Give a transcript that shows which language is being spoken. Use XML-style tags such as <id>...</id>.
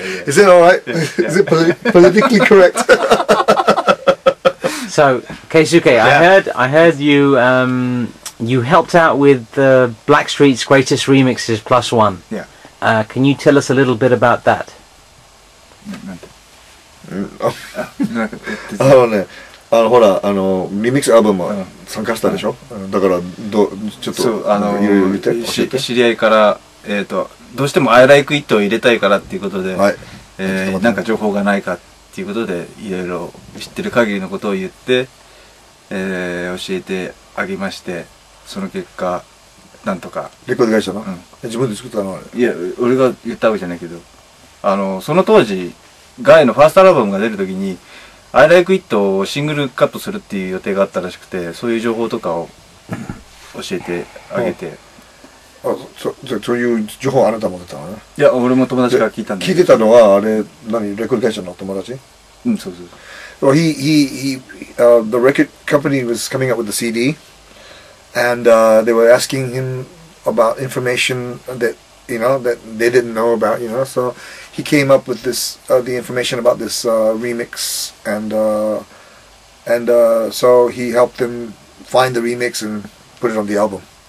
<en>Yeah. Is it all right? Yeah. Is it politically correct? So, Keisuke, yeah. I heard you you helped out with the Blackstreet's Greatest Remixes Plus One. Yeah. Can you tell us a little bit about that? Oh, no.</en> <ja>あのほらあのリミックスアルバム参加したでしょ、うん、だからちょっとゆるゆるって知り合いから、どうしても I like it を入れたいからっていうことで、はい、なんか情報がないかっていうことでいろいろ知ってる限りのことを言って、教えてあげましてその結果なんとかレコード会社の、うん、自分で作ったのあれいや俺が言ったわけじゃないけどあのその当時ガイのファーストアルバムが出るときにI Like It をシングルカットするっていう予定があったらしくて、そういう情報とかを教えてあげて。あ、そういう情報あなたも出たのね。いや、俺も友達から聞いたんだけど。聞いてたのは、あれ、何、レコード会社の友達? うん、そうそう。</ja> <en>Well, he, the record company was coming up with the CD, and they were asking him about information that, you know, that they didn't know about, you know, so... He came up with this, the information about this remix, and so he helped him find the remix and put it on the album.</en>